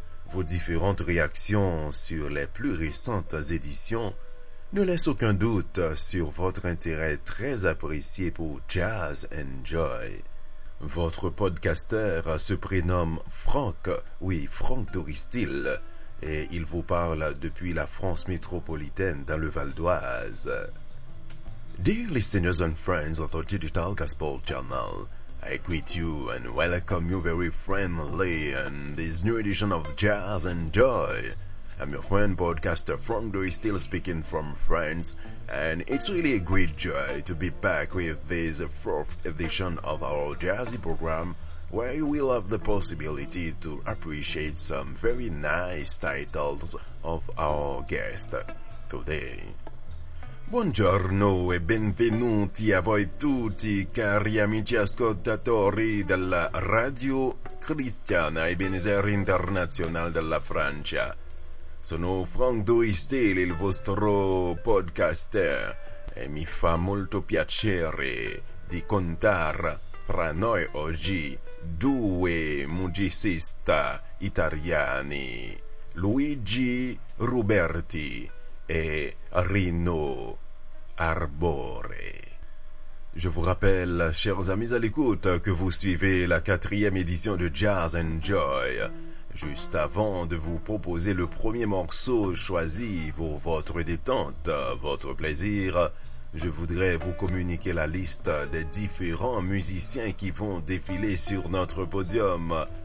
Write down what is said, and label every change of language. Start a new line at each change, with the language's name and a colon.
French: Vos différentes réactions sur les plus récentes éditions ne laissent aucun doute sur votre intérêt très apprécié pour Jazz and Joy. Votre podcasteur se prénomme Franck, oui, Franck Doristil, et il vous parle depuis la France métropolitaine dans le Val d'Oise.
English: Dear listeners and friends of the Digital Gospel Journal, I greet you and welcome you very friendly in this new edition of Jazz and Joy. I'm your friend, podcaster Franck Doristil, speaking from France, and it's really a great joy to be back with this fourth edition of our jazzy program, where you will have the possibility to appreciate some very nice titles of our guest today.
Italian: Buongiorno e benvenuti a voi tutti, cari amici ascoltatori della Radio Cristiana Ebenezer Internazionale della Francia. Sono Franck Doristil, il vostro podcaster, e mi fa molto piacere di contare fra noi oggi due musicisti italiani, Luigi Ruberti e Rino Arbore.
French: Je vous rappelle, chers amis à l'écoute, que vous suivez la quatrième édition de Jazz and Joy. Juste avant de vous proposer le premier morceau choisi pour votre détente, votre plaisir, je voudrais vous communiquer la liste des différents musiciens qui vont défiler sur notre podium.